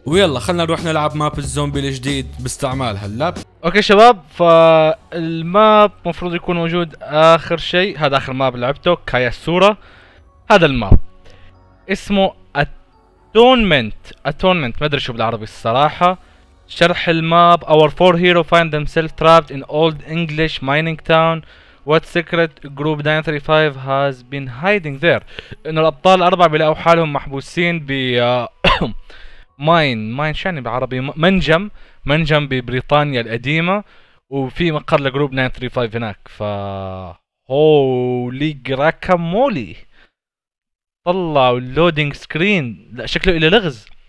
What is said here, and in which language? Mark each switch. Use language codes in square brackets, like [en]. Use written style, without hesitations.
[ar] ويلا خلينا نروح نلعب ماب الزومبي الجديد باستعمال هاللاب. اوكي شباب، فالماب مفروض يكون موجود اخر شيء، هذا اخر ماب لعبته كايا الصوره. هذا الماب اسمه اتونمنت، ما ادري شو بالعربي الصراحه. شرح الماب: [en] Our four heroes find themselves trapped in old English mining town. What secret group 935 has been hiding there? [ar] إنه الأبطال الأربعة بيلاقوا حالهم محبوسين ب ماين شو يعني بالعربي؟ منجم ببريطانيا القديمة، وفي مقر لجروب 935 هناك. فا هولي جراكامولي، طلعوا اللودينج سكرين، لا شكله إلي لغز.